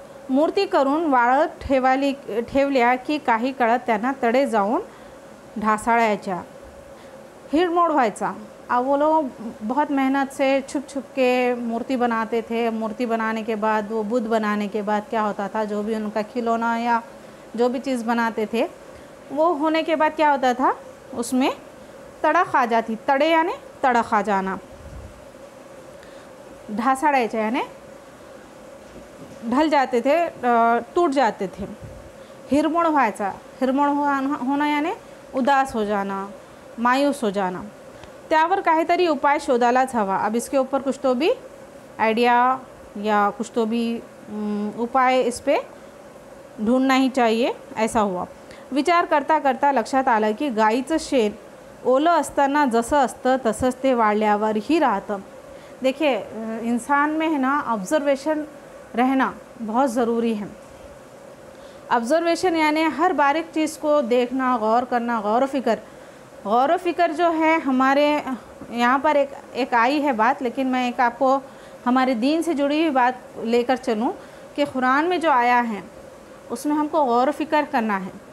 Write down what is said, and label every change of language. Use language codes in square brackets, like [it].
[mr] मूर्ति करून वाळत ठेवल्या की काही कळत त्यांना तडे जाऊन ढासाळायच्या, हिरमोड व्हायचा। [hi] अब वो लोग बहुत मेहनत से छुप छुप के मूर्ति बनाते थे। मूर्ति बनाने के बाद, वो बुद्ध बनाने के बाद क्या होता था, जो भी उनका खिलौना या जो भी चीज़ बनाते थे वो होने के बाद क्या होता था, उसमें तड़ख आ जाती, तड़े यानी तड़ख आ जाना, ढासाड़ाचे यानी ढल जाते थे, टूट जाते थे। [mr] हिरमोड़ व्हायचा, [hi] हिरमोड़ होना यानी उदास हो जाना, मायूस हो जाना। [mr] त्यावर काही तरी उपाय शोधाला हवा, [hi] अब इसके ऊपर कुछ तो भी आइडिया या कुछ तो भी उपाय इस पर ढूंढना ही चाहिए, ऐसा हुआ। [mr] विचार करता करता लक्षात आला कि गाईचं शेण ओलं असताना जसं असतं तसंच ते वाळल्यावर ही राहतं। [hi] देखिए इंसान में है ना ऑब्जर्वेशन रहना बहुत ज़रूरी है। ऑब्जर्वेशन यानी हर बारीक चीज़ को देखना, गौर करना, गौर व फिक्र जो है हमारे यहाँ पर एक आई है बात, लेकिन मैं एक आपको हमारे दीन से जुड़ी हुई बात लेकर चलूँ कि कुरान में जो आया है उसमें हमको गौर व फिक्र करना है,